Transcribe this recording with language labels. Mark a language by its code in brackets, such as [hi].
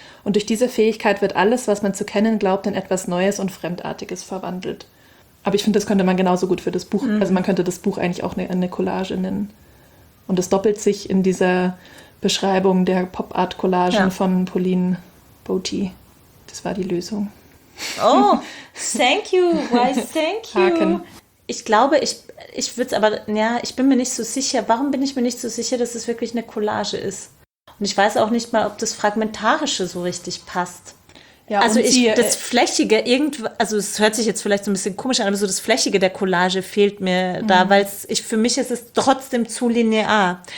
[de] Und durch diese Fähigkeit wird alles, was man zu kennen glaubt, in etwas Neues und Fremdartiges verwandelt. Aber ich finde, das könnte man genauso gut für das Buch, also man könnte das Buch eigentlich auch eine Collage nennen. Und es doppelt sich in dieser Beschreibung der Pop-Art-Collagen von Pauline Boti. Das war die Lösung. [en] Oh, thank you, why thank you? [de] Haken. Ich glaube, ich würde es aber, ja, ich bin mir nicht so sicher. Warum bin ich mir nicht so sicher, dass es wirklich eine Collage ist? Und ich weiß auch nicht mal, ob das Fragmentarische so richtig passt. Ja, also und das Flächige, also es hört sich jetzt vielleicht so ein bisschen komisch an, aber so das Flächige der Collage fehlt mir da, weil für mich ist es trotzdem zu linear.